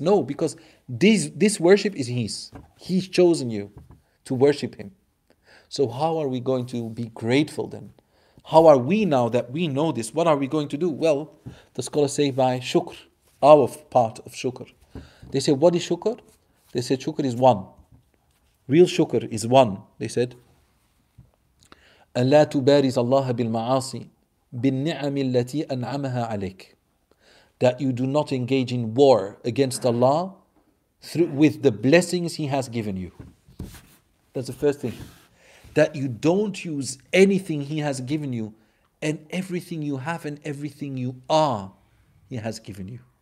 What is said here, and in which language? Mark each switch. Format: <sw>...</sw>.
<en>No, because this worship is His. He's chosen you to worship Him. So how are we going to be grateful then? How are we now that we know this? What are we going to do? Well, the scholars say by shukr, our part of shukr. They say, what is shukr? They said shukr is one. Real shukr is one. They said,</en> <ar>أَلَّا تُبَارِزَ اللَّهَ بِالْمَعَاصِي بِالنِّعَمِ الَّتِي أَنْعَمَهَا عَلَيْكَ.</ar> <en>That you do not engage in war against Allah through with the blessings He has given you. That's the first thing. That you don't use anything He has given you, and everything you have and everything you are, He has given you.</en>